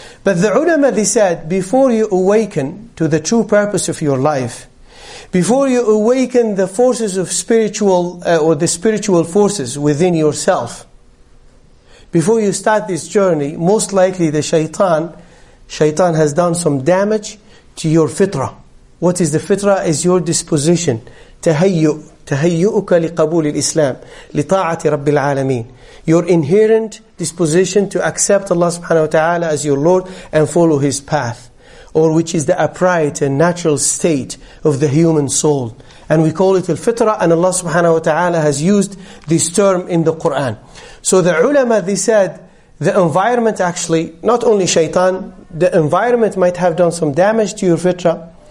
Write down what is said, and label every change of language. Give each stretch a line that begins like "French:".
English: But the ulama, they said, before you awaken to the true purpose of your life, before you awaken the forces of spiritual, or the spiritual forces within yourself, before you start this journey, most likely the shaitan has done some damage to your fitrah. What is the fitrah? Is your disposition.
Arabic: تهيؤك لقبول الإسلام لطاعة رب العالمين.
English: Your inherent disposition to accept Allah subhanahu wa ta'ala as your Lord and follow His path. Or which is the upright and natural state of the human soul. And we call it al-fitrah, and Allah subhanahu wa ta'ala has used this term in the Quran. So the ulama, they said, the environment actually, not only shaitan, the environment might have done some damage to your fitrah.